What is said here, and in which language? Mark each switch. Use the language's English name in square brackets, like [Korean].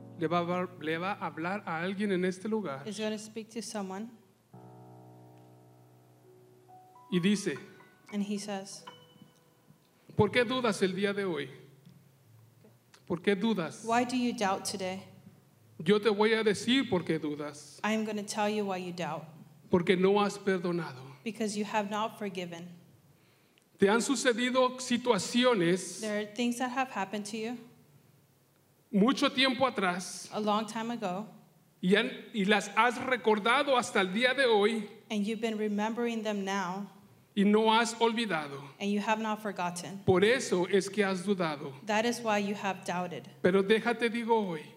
[Spanish] le va a hablar a alguien en este lugar. [English] Is going to speak to someone. [Spanish] Y dice, [English] and he says, [Spanish] ¿por qué dudas el día de hoy? ¿Por qué dudas? [English] Why do you doubt today? [Spanish] Yo te voy a decir por qué dudas. [English] I am going to tell you why you doubt. [Spanish] Porque no has perdonado. [English] Because you have not forgiven. [Spanish] Te han sucedido situaciones. [English] There are things that have happened to you. [Spanish] Mucho tiempo atrás. [English] A long time ago. [Spanish] Y las has recordado hasta el día de hoy. [English] And you've been remembering them now. [Spanish] Y no has olvidado. [English] And you have not forgotten. [Spanish] Por eso es que has dudado. [English] That is why you have doubted. [Spanish] Pero déjate digo hoy.